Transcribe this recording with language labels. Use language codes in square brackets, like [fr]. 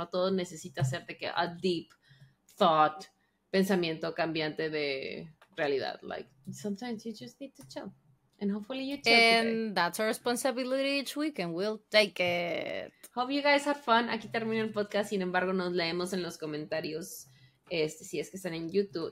[es] No todo necesita ser de que [en] a deep thought, [es] pensamiento cambiante de realidad. [en] Like, sometimes you just need to chill. And hopefully you chill and today. That's our responsibility each week and we'll take it. Hope you guys had fun. [es] Aquí termina el podcast. Sin embargo, nos leemos en los comentarios si es que están en YouTube.